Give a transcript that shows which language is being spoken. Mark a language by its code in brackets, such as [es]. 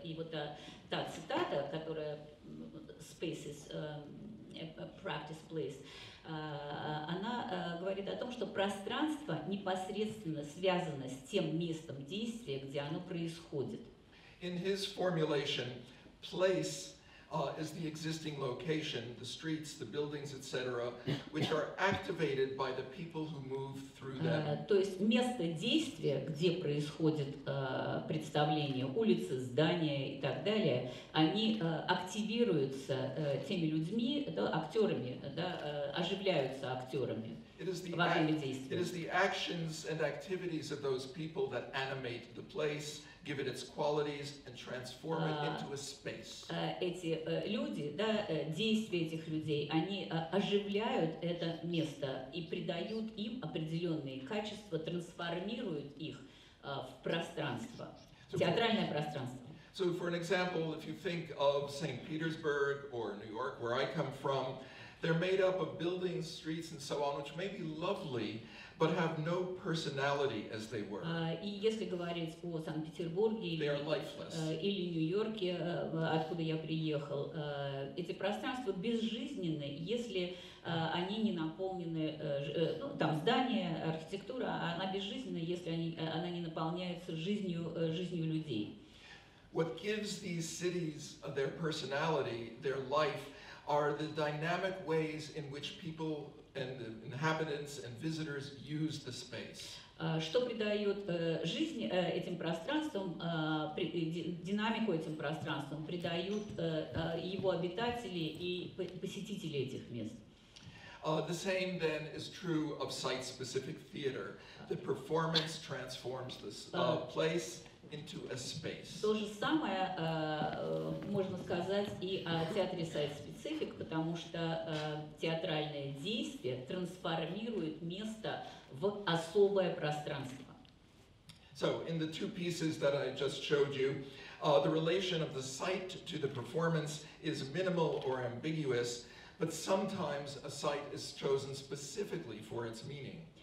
[ru] И вот та цитата, которая [en] «Space is practice place», [ru] она говорит о том, что пространство непосредственно связано с тем местом действия, где оно происходит. [en] In his formulation, place is the existing location, the streets, the buildings, etc., which are activated by the people who move through them. [ru] То есть место действия, где происходит представление, улицы, здания и так далее, они активируются теми людьми, да, актерами, да, оживляются актерами. [en] It is the actions and activities of those people that animate the place, give it its qualities, and transform it into a space. [ru] Эти люди, да, действия этих людей, они оживляют это место и придают им определенные качества, трансформируют их в пространство, театральное пространство. [en] So, for an example, if you think of St. Petersburg or New York, where I come from, they're made up of buildings, streets, and so on, which may be lovely, but have no personality as they were. [ru] И если говорить о Санкт-Петербурге или Нью-Йорке, откуда я приехал, эти пространства безжизненны, если они не наполнены, там здания, архитектура, она безжизненна, если она не наполняется жизнью людей. [en] What gives these cities their personality, their life, are the dynamic ways in which people and the inhabitants and visitors use the space. [ru] Что придает жизнь этим пространствам, динамику этим пространствам, придают его обитатели и посетители этих мест. [en] The same then is true of site-specific theater. The performance transforms the place into a space. [ru] То же самое можно сказать и о театре сайт-специфик, потому что театральное действие трансформирует место в особое пространство. [en] So, in the two pieces that I just showed you, the relation of the site to the performance is minimal or ambiguous, but sometimes a site is chosen specifically for its meaning.